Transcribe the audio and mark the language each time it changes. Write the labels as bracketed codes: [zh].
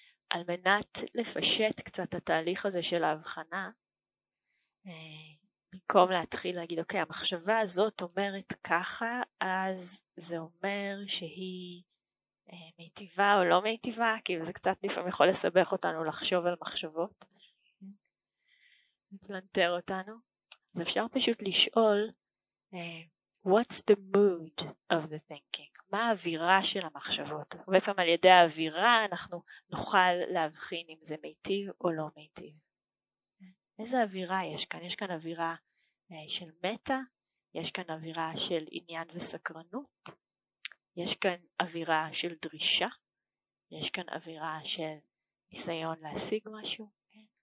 [he] על מנת לפשט קצת התהליך הזה של ההבחנה, במקום להתחיל להגיד, אוקיי, המחשבה הזאת אומרת ככה, אז זה אומר שהיא מיטיבה או לא מיטיבה, כי זה קצת לפעמים יכול לסבך אותנו לחשוב על מחשבות, לפלנטר אותנו. אז אפשר פשוט לשאול, [en] what's the mood of the thinking? [he] מה האווירה של המחשבות? הרבה פעמים על ידי האווירה אנחנו נוכל להבחין אם זה מיטיב או לא מיטיב. איזה אווירה יש כאן? יש כאן אווירה של מטה, יש כאן אווירה של עניין וסקרנות, יש כאן אווירה של דרישה, יש כאן אווירה של ניסיון להשיג משהו. כן?